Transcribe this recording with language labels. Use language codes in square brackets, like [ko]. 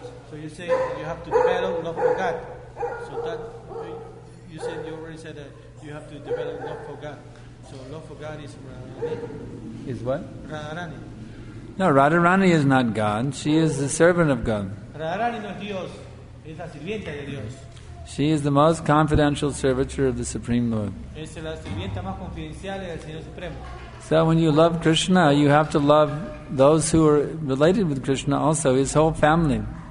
[en] So you say you have to develop love for God. So that you said, you already said that you have to develop love for God. So love for God is Radharani. Is what? Radharani. No, Radharani is not God. She is the servant of God. [es] Radharani no es Dios. Es la sirvienta de Dios. [en] She is the most confidential servitor of the Supreme Lord. [es] Es la sirvienta más confidencial del Señor Supremo. [en] So when you love Krishna, you have to love those who are related with Krishna also, his whole family.